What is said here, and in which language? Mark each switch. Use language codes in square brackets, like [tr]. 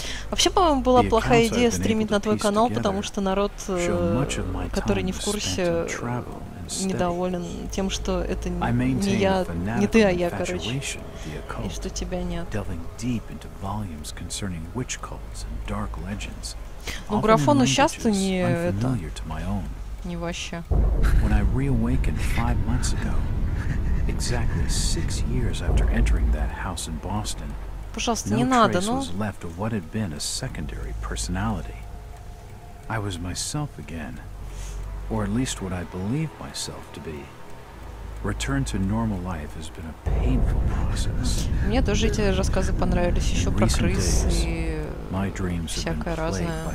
[ru] Вообще, по-моему, была плохая идея стримить на твой канал, потому что народ, который не в курсе, недоволен тем, что это не я, не ты, а я, короче. И что тебя нет. [en] Delving deep into volumes concerning witch cults and dark legends. [ru] Ну, графон сейчас-то не это. Не вообще. [en] When I reawakened 5 months ago, exactly 6 years after entering that house in Boston, [ru] пожалуйста, не надо, ну. [en] No trace was left of what had been a secondary personality. I was myself again. Or at least what I believe myself to be. Return to normal life has been a painful process. [ru] Мне тоже эти рассказы понравились, еще про крыс и всякое разное.